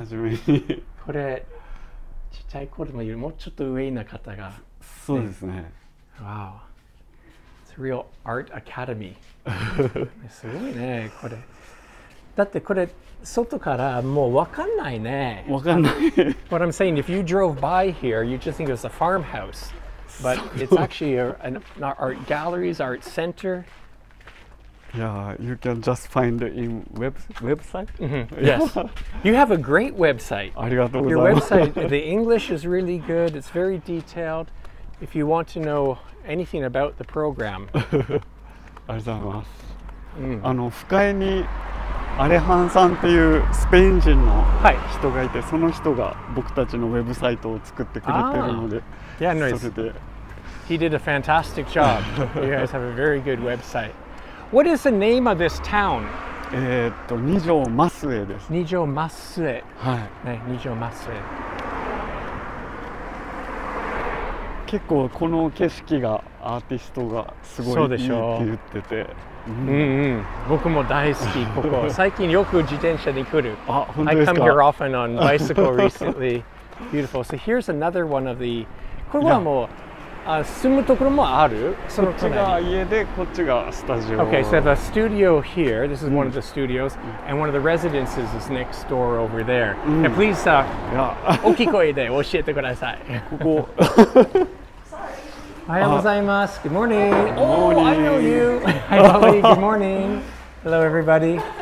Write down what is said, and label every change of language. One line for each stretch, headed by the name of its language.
Japanese: 真面目に。これ。ちっちゃい子でもいる、もうちょっと上の方が、ね、そうですね。
English: Wow. It's a real art academy.
Japanese: すごいね、これ。だってこれ、外からもうわかんないね。わかんない。
English: What I'm saying, if you drove by here, you just think it was a farmhouse. But it's actually an art galleries, art center. Yeah, you can just find it in website. Mm-hmm. Yes. You have a great website.
Japanese: ありがとうございます。
English: Your website, the English is really good. It's very detailed. If you want to know anything about the program.
Japanese: ありがとうございます。あの、深井にアレハンさんっていうスペイン人の人がいて、その人が僕たちのウェブサイトを作ってくれてるので、
English: yeah, no,
Japanese: それで。
English: He did a fantastic job. You guys have a very good website. What is the name of this town?
Japanese: Nijo-masue です。
English: Nijo-masue.
Japanese: はい。ね、Nijo-masue. 結構この景色がアーティストがすごいいいって言ってて。うん、僕も大好き、ここ。最近よく自転車に来る。あ、本当ですか?
English: I come here often on bicycle recently. Beautiful. So here's another one of the...
Japanese: これはもう、あ、住むところもある? その隣。こっちが家で、こっちがスタジオ。
English: Okay, so I have a studio here. This is one of the studios. And one of the residences is next door over there. And please,
Japanese: 大きい声で教えてください。ここ。おはようございます。
English: Good morning. Good morning. Oh, I know you. Hi, Bobby. Good morning. Hello, everybody.